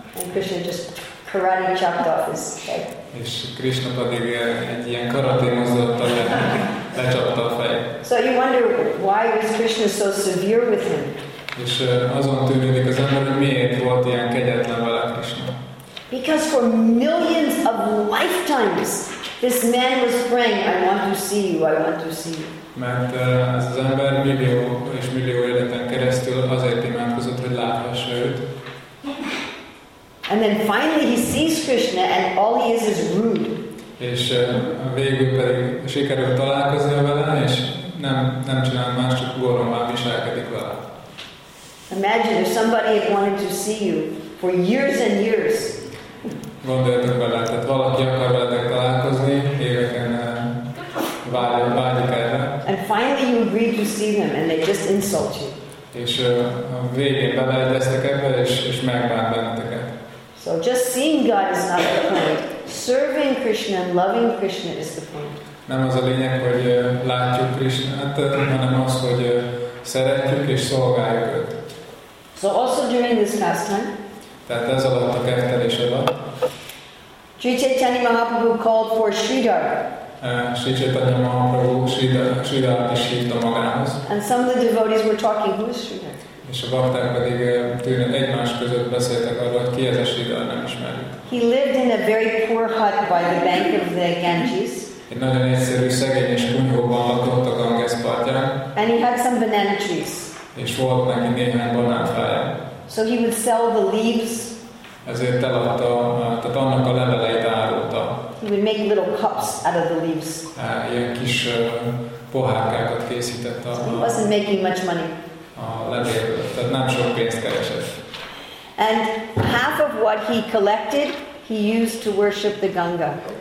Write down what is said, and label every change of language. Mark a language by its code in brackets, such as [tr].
[en] And Krishna just karate chopped off his head. [hu] És Krishna pedig egy ilyen karate mozdulattal lecsapta a fejét. [en] So you wonder why was Krishna so severe with him? [hu] És azon tűnődik az ember, hogy miért volt ilyen kegyetlen vele Krishna. [en] Because for millions of lifetimes this man was praying, I want to see you, I want to see you. [hu] Mert ez az ember millió és millió életen keresztül azért imádkozott, hogy láthassa őt. [en] And then finally he sees Krishna and all he is rude. [hu] És végül pedig sikerült találkozni vele, és nem csinál más, csak goromban viselkedik vele. [en] Imagine if somebody had wanted to see you for years and years. [hu] Gondoljatok bele, tehát valaki akar veletek találkozni, éveken vágyik erre. [en] And finally you agree to see him and they just insult you. [hu] És végén beleegyeztek ebbe, és megbánt benneteket. [en] So just seeing God is not the point. Serving Krishna and loving Krishna is the point. [hu] Nem az a lényeg, hogy látjuk Krishnát, hanem az, hogy szeretjük és szolgáljuk őt. [en] So also during this pastime. [hu] Tehát ez alatt a kertelés alatt. [en] Sri Chaitanya Mahaprabhu called for Sridhar. [hu] Sri Chaitanya Mahaprabhu Sridhart is hívta magához. [en] And some of the devotees were talking, who is Sridhar? [hu] És a bakták pedig tűnően egymás között beszéltek arról, hogy ki ez a Sridhar, nem ismerjük. [en] He lived in a very poor hut by the bank of the Ganges. [hu] Egy nagyon egyszerű, szegény és kunyhóban lakott a Ganges partján. [en] And he had some banana trees. [hu] És volt neki néhány banánfája. [en] So he would sell the leaves. [hu] Ezért eladta, tehát annak a leveleit árulta. [en] He would make little cups out of the leaves. [hu] Ilyen kis pohárkákat készített. [en] So he wasn't making much money. [hu] A levélből, tehát nem sok pénzt keresett. [en] And half of what he collected, he used to worship the Ganga.